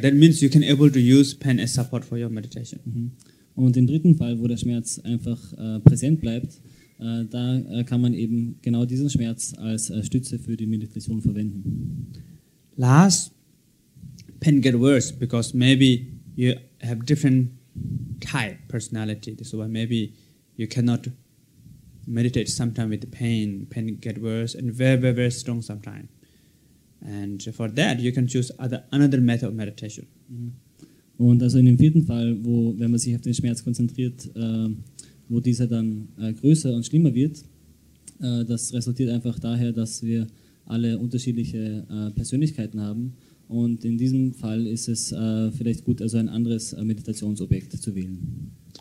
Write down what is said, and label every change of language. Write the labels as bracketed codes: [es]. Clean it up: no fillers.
[en] That means you can able to use pain as support for your meditation. Mm-hmm. [de] Und im dritten Fall, wo der Schmerz einfach präsent bleibt, da kann man eben genau diesen Schmerz als Stütze für die Meditation verwenden. [en] Last, pain get worse, because maybe you have different type personality. So maybe you cannot meditate sometime with the pain. Pain get worse and very, very, very strong sometime. And for that, you can choose another method of meditation. Mm-hmm. [de] Und also in dem vierten Fall, wo, wenn man sich auf den Schmerz konzentriert, wo dieser dann größer und schlimmer wird, das resultiert einfach daher, dass wir alle unterschiedliche Persönlichkeiten haben Und in diesem Fall ist es vielleicht gut, also ein anderes Meditationsobjekt zu wählen.